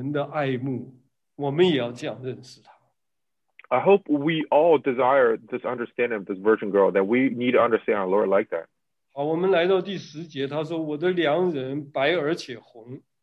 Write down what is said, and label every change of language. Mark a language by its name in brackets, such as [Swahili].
[Chinese] 所以这个女子啊，她的认识，盼望成为我们的爱慕，我们也要这样认识她。 [English] I hope we all desire this understanding of this virgin girl, that we need to understand our Lord like that. [Chinese] 好，我们来到第十节，她说，我的良人白而且红。